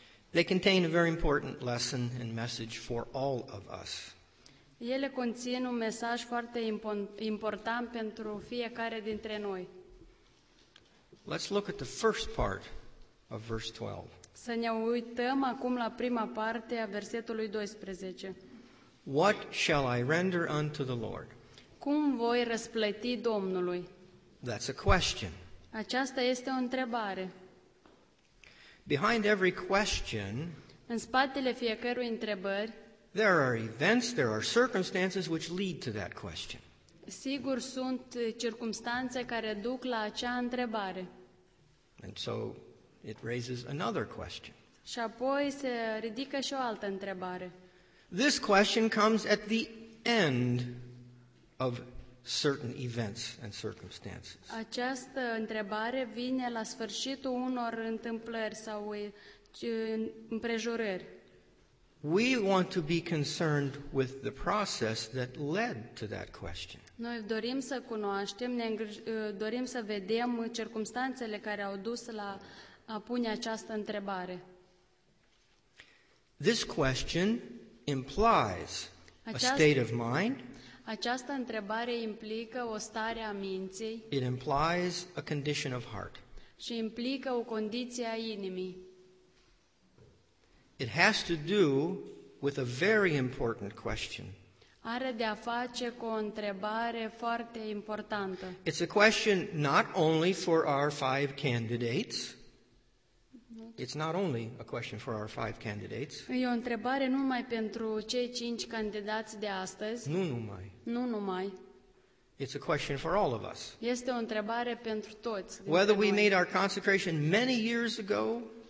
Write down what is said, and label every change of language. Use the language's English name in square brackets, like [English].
[English] They contain a very important lesson and message for all of us. [Romanian] Ele conțin un mesaj foarte important pentru fiecare dintre noi. [English] Let's look at the first part of verse 12. [Romanian] Să ne uităm acum la prima parte a versetului 12. [English] What shall I render unto the Lord? [Romanian] Cum voi răsplăti Domnului? [English] That's a question. [Romanian] Aceasta este o întrebare. [English] Behind every question, [Romanian] în spatele fiecărui întrebări, [English] there are events, there are circumstances which lead to that question. [Romanian] Sigur, sunt circumstanțe care duc la acea întrebare. [English] And so it raises another question. [Romanian] Și apoi se ridică și o altă întrebare. [English] This question comes at the end of certain events and circumstances. [Romanian] Această întrebare vine la sfârșitul unor întâmplări sau împrejurări. [English] We want to be concerned with the process that led to that question. [Romanian] Noi dorim să cunoaștem, dorim să vedem circumstanțele care au dus la a pune această întrebare. [English] This question implies a state of mind. [Romanian] Această întrebare implică o stare a minții. [English] It implies a condition of heart. [Romanian] Și implică o condiție a inimii. [English] It has to do with a very important question. [Romanian] Are de a face cu o întrebare foarte importantă. [English] It's a question not only for our five candidates. It's not only a question for our five candidates. [Romanian] E o întrebare numai pentru cei cinci candidați de astăzi. Nu numai. Nu numai. [English] It's a question for all of us. [Romanian] Este o întrebare pentru toți. [English] Whether we made our consecration many years ago,